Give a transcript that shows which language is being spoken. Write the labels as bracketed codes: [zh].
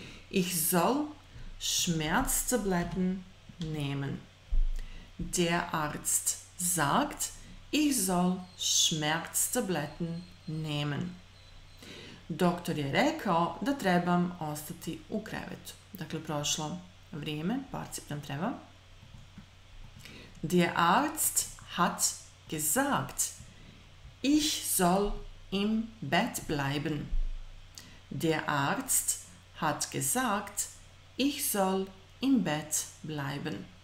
[de] Ich soll Schmerztabletten nehmen. Der Arzt sagt, ich soll Schmerztabletten nehmen. [hr] Doktor je rekao da trebam ostati u krevetu. Dakle, prošlo vrijeme, particip nam treba. [de] Der Arzt hat gesagt, ich soll im Bett bleiben. Der Arzt hat gesagt, ich soll im Bett bleiben.